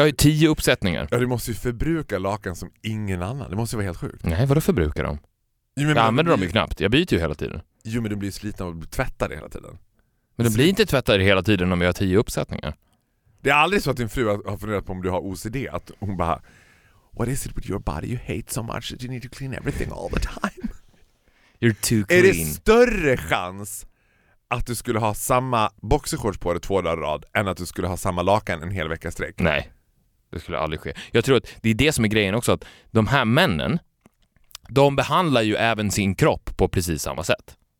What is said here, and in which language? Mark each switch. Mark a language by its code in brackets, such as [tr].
[sv] Jag har ju 10 uppsättningar. Ja, du måste ju förbruka lakan som ingen annan. Det måste ju vara helt sjukt. Nej, vadå förbruka dem? Jo, men jag använder dem ju knappt. Jag byter ju hela tiden. Jo, men du blir sliten och tvättar det hela tiden. Men du blir inte tvättad hela tiden om jag har 10 uppsättningar. Det är aldrig så att din fru har funderat på om du har OCD. Att hon bara, [en] what is it with your body you hate so much that you need to clean everything all the time? You're too clean. [sv] Är det större chans att du skulle ha samma boxershorts på dig 2 dagar rad än att du skulle ha samma lakan en hel vecka sträck? Nej, det skulle aldrig ske. Jag tror att det är det som är grejen också, att de här männen, de behandlar ju även sin kropp på precis samma sätt.